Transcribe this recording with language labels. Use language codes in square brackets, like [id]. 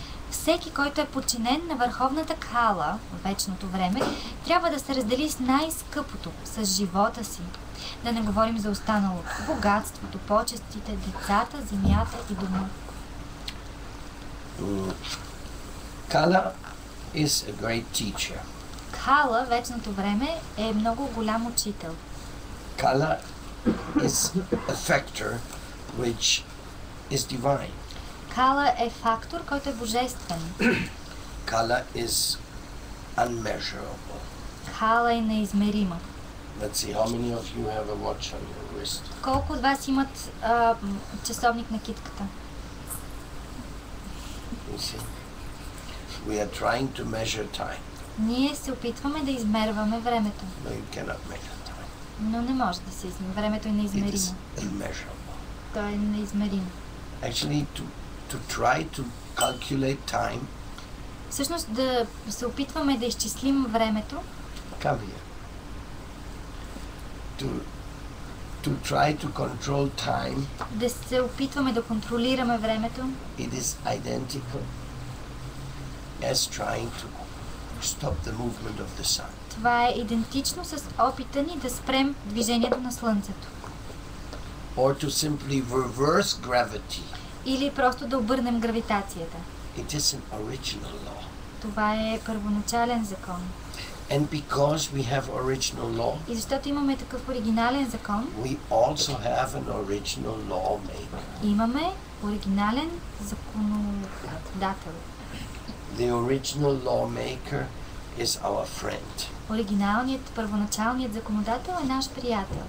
[bg] Всеки, който е подчинен на върховната кала, вечното време, трябва да се раздели с най-скъпото, с живота си. Да не говорим за останалото, богатството, почестите, децата, земята и дома. [en] Kala is a great teacher. [bg] Кала, вечното време, е много голям учител. [en] Kala is a factor which is divine. [bg] Кала е фактор, който е божествен. [en] Kala is unmeasurable. [bg] Кала е неизмерима. [en] Let's see, how many of you have a watch on your wrist? [bg] Колко от вас имат часовник на китката? [en] We are trying to measure time. [bg] Ние се опитваме да измерваме времето. [en] But you cannot measure time. [bg] Но не може да се измери. Времето е неизмеримо. То е неизмеримо. [en] Actually, to try to calculate time. [bg] Всъщност да се опитваме да изчислим времето. [en] Come here. To try to control time. [bg] Да се опитваме да контролираме времето. [en] It is identical as trying to stop the movement of the sun. [bg] Това е идентично с опита ни да спрем движението на слънцето. [en] Or to simply reverse gravity. [bg] Или просто да обърнем гравитацията. [en] It is an original law. [bg] Това е първоначален закон. [en] And because we have original law. [bg] И защото имаме такъв оригинален закон. [en] We also have an original lawmaker. [bg] Имаме оригинален законодател. [en] The original lawmaker is our friend. [bg] Оригиналният първоначалният законодател е наш приятел.